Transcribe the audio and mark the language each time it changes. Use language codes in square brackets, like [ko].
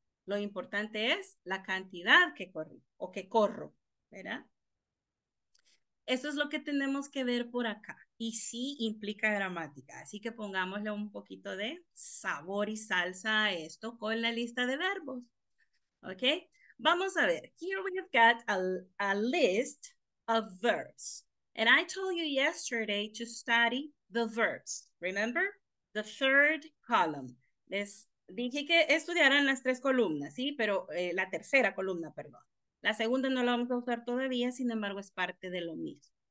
[es] Lo importante es la cantidad que corro o que corro, ¿verdad? Eso es lo que tenemos que ver por acá. Y sí implica gramática. Así que pongámosle un poquito de sabor y salsa a esto con la lista de verbos, okay? Vamos a ver, [en] here we have got a list of verbs. And I told you yesterday to study the verbs. Remember? The third column. [es] Les dije que estudiaran las tres columnas, ¿sí? Pero la tercera columna, perdón. La segunda no la vamos a usar todavía, sin embargo, es parte de lo mismo.